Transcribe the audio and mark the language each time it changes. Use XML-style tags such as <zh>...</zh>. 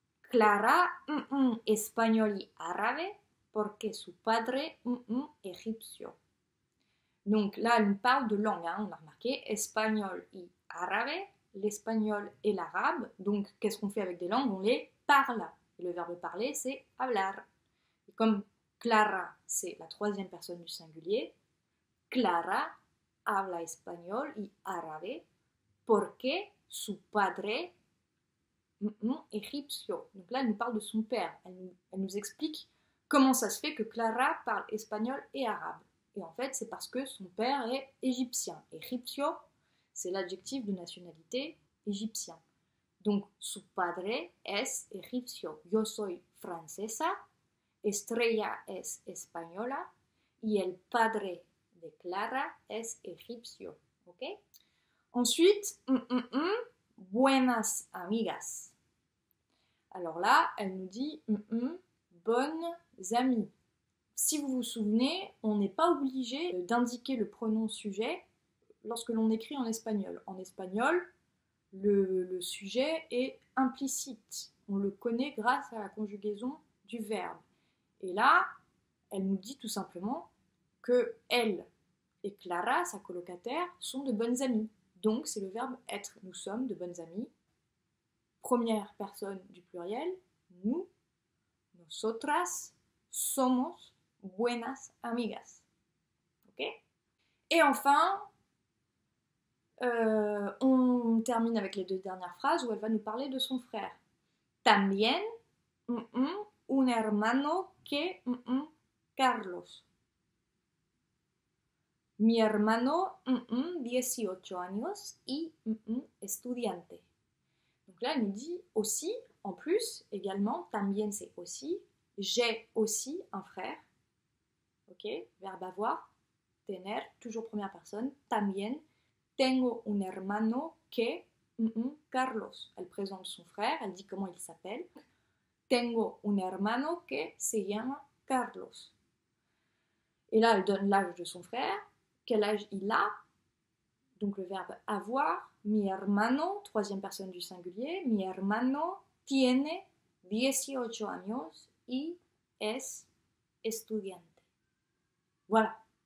<es>Clara, español y árabe, porque su padre, egipcio.</es> <fr>Donc là, elle nous parle de langue, hein, on a remarqué, espagnol y árabe, l'espagnol et l'arabe. Donc, qu'est-ce qu'on fait avec des langues? On les parle. Et le verbe parler, c'est hablar. Et comme Clara, c'est la troisième personne du singulier,</fr> <es>Clara habla español y árabe, porque su padre,</es> <fr>égyptien. Donc là, elle nous parle de son père. Elle nous explique comment ça se fait que Clara parle espagnol et arabe. Et en fait, c'est parce que son père est égyptien. Égyptien, c'est l'adjectif de nationalité égyptien.</fr> <es>Donc, su padre es egipcio. Yo soy francesa. Estrella es española. Y el padre de Clara es egipcio. ¿Ok? Ensuite, buenas amigas.</es> <fr>Alors là, elle nous dit bonnes amies. Si vous vous souvenez, on n'est pas obligé d'indiquer le pronom sujet lorsque l'on écrit en espagnol. En espagnol, le sujet est implicite. On le connaît grâce à la conjugaison du verbe. Et là, elle nous dit tout simplement que elle et Clara, sa colocataire, sont de bonnes amies. Donc, c'est le verbe être. Nous sommes de bonnes amies. Première personne du pluriel, nous.</fr> <es>Nosotras somos buenas amigas. OK?</es> <fr>Et enfin, on termine avec les deux dernières phrases où elle va nous parler de son frère.</fr> <es>También un hermano que Carlos. Mi hermano, 18 años y estudiante.</es> <fr>Donc là, elle nous dit aussi, en plus, également, también c'est aussi, j'ai aussi un frère. Ok? Verbe avoir, tener, toujours première personne,</fr> <es>también tengo un hermano que Carlos.</es> <fr>Elle présente son frère, elle dit comment il s'appelle.</fr> <es>Tengo un hermano que se llama Carlos.</es> <fr>Et là, elle donne l'âge de son frère. Quel âge il a? Donc le verbe avoir,</fr> <es>mi hermano, troisième personne du singulier, mi hermano tiene 18 años y es estudiante.</es> <fr>Voilà.</fr>